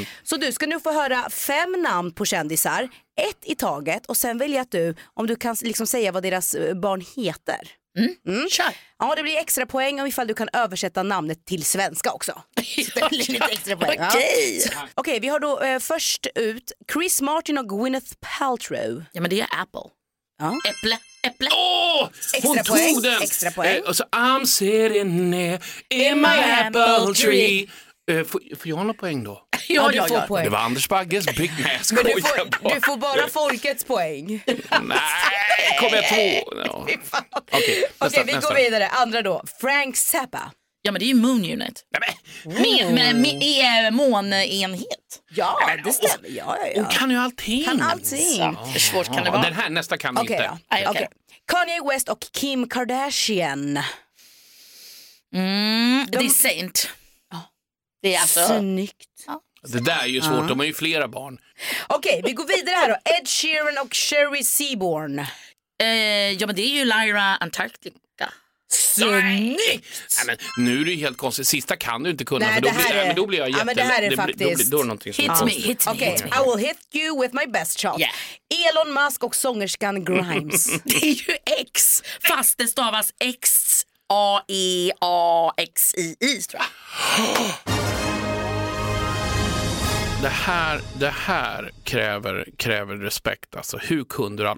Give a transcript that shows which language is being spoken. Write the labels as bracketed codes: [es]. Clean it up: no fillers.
[sv] Så du ska nu få höra fem namn på kändisar, ett i taget, och sen välja att du, om du kan liksom säga vad deras barn heter. Kör. Ja, det blir extra poäng om ifall du kan översätta namnet till svenska också. Okej. Ja. Okej, vi har då först ut Chris Martin och Gwyneth Paltrow. Ja, men det är Apple. Ja. Äpple. Äpple. Oh, hon extra tog poäng. Den. Extra poäng. Och så [en] I'm sitting in my apple tree. [sv] Får jag några poäng då? Ja, du får poäng. Det var Anders Bagges big mask. Men du får bara folkets poäng. Nej, kommer jag två? Okej, vi går vidare. Andra då. Frank Zappa. Ja, men det är ju Moon Unit. Med månenhet. Ja, det stämmer. Ja, ja. Och kan ju allting. Kan allting. Hur svårt kan det vara? Den här nästa kan vi inte. Okej. Kanye West och Kim Kardashian. The Saint. Det är alltså... Snyggt. Det där är ju svårt, de har ju flera barn. Okej, vi går vidare här då. Ed Sheeran och Sherry Seaborn. Ja, men det är ju Lyra Antarctica. Snyggt. Nej, men nu är det ju helt konstigt. Sista kan du inte kunna. Nej, för då blir, är... men då blir jag jätte... Ja, men det här är faktiskt då är någonting som [en] hit me, hit me. Okej, okay, I will hit you with my best shot, yeah. [sv] Elon Musk och sångerskan Grimes. Det är ju X. Fast det stavas X A-E-A-X-I-I, tror jag. Det här kräver respekt. Alltså, hur kunde han?